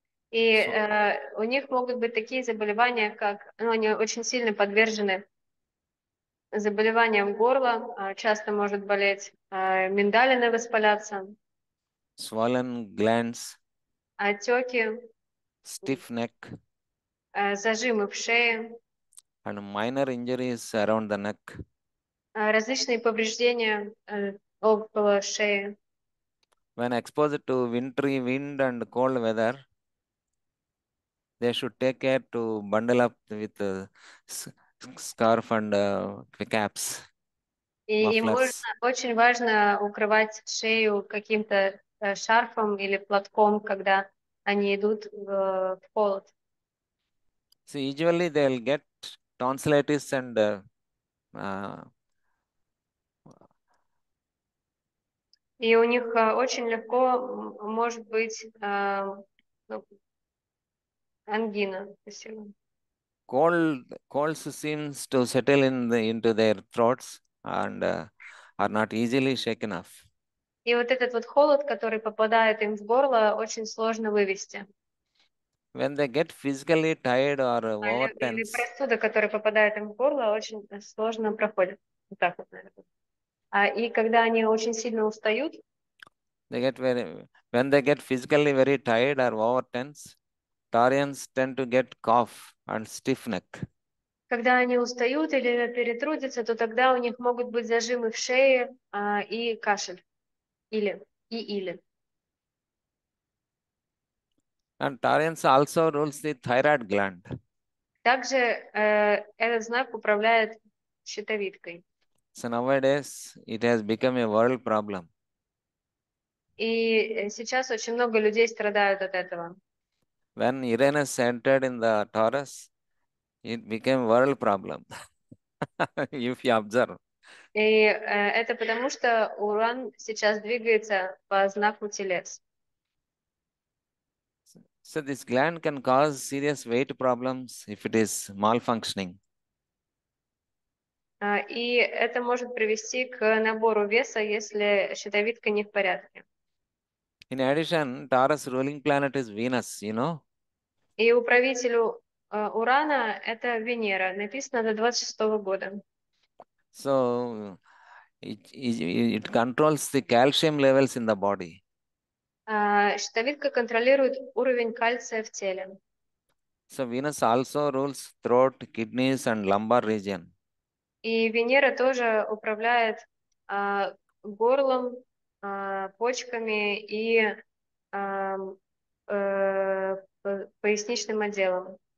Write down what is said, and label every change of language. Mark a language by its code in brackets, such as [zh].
[ru] И у них могут быть такие заболевания, как, ну, они очень сильно подвержены заболеваниям горла, часто может болеть миндалины, воспаляться, [en] Swollen glands, [ru] отеки, [en] stiff neck, [ru] зажимы в шее, [en] and minor injuries around the neck, [ru] различные повреждения около шеи. [en] When exposed to wintry wind and cold weather, they should take care to bundle up with a scarf and caps, [ru] и [en] mufflers. [ru] можно, очень важно укрывать шею каким-то шарфом или платком, когда они идут в холод. [en] So usually they'll get tonsillitis and [ru] И у них очень легко может быть ангина. Спасибо. [en] Cold seems to settle in the into their throats and are not easily shaken off. [ru] И вот этот вот холод, который попадает им в горло, очень сложно вывести. [en] When they get physically tired or [ru] Или [en] overtense. [ru] простуда, которая попадает им в горло, очень сложно проходит. Вот так вот, наверное. И когда они очень сильно устают, [en] When they get physically very tired or overtense, Taurians tend to get cough and stiff neck. [ru] Когда они устают или перетрудятся, то тогда у них могут быть зажимы в шее и кашель. Или. [en] And Taurians also rules the thyroid gland. [ru] Также этот знак управляет щитовидкой. [en] So nowadays it has become a world problem. [ru] И сейчас очень много людей страдают от этого. [en] When Uranus entered in the Taurus, it became a world problem. If you observe. [ru] И это потому, что Уран сейчас двигается по знаку Телец. [en] So this gland can cause serious weight problems if it is malfunctioning. [ru] И это может привести к набору веса, если щитовидка не в порядке. [en] In addition, Taurus ruling planet is Venus, you know. [ru] И управителю Урана это Венера, написано до 26 года. [en] So it controls the calcium levels in the body. [ru] Щитовидка контролирует уровень кальция в теле. [en] So Venus also rules throat, kidneys and lumbar region. [ru] И Венера тоже управляет горлом, почками и поясничным отделом.